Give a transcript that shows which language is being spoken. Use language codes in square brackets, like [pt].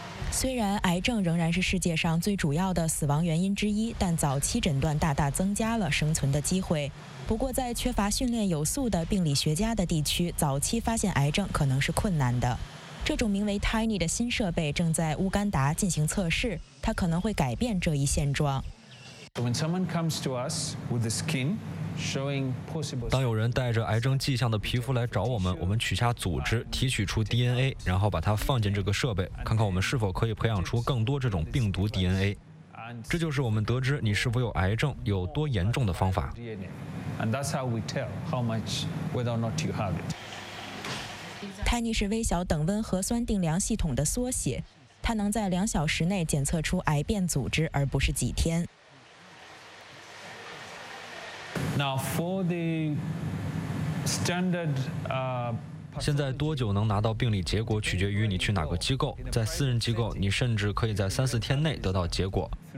[zh] 虽然癌症仍然是世界上最主要的死亡原因之一，但早期诊断大大增加了生存的机会。不过在缺乏训练有素的病理学家的地区，早期发现癌症可能是困难的。这种名为 Tiny 的新设备正在乌干达进行测试，它可能会改变这一现状。 [en] When someone comes to us with the skin showing possible, [zh] 当有人带着癌症迹象的皮肤来找我们，我们取下组织，提取出 DNA， 然后把它放进这个设备，看看我们是否可以培养出更多这种病毒 DNA。这就是我们得知你是否有癌症有多严重的方法。 [en] And that's how we tell how much whether or not you have it. [zh] Tiny 是微小等温核酸定量系统的缩写，它能在两小时内检测出癌变组织，而不是几天。 [en] Now for the standard [zh] 现在多久能拿到病理结果取决于你去哪个机构，在私人机构你甚至可以在三四天内得到结果。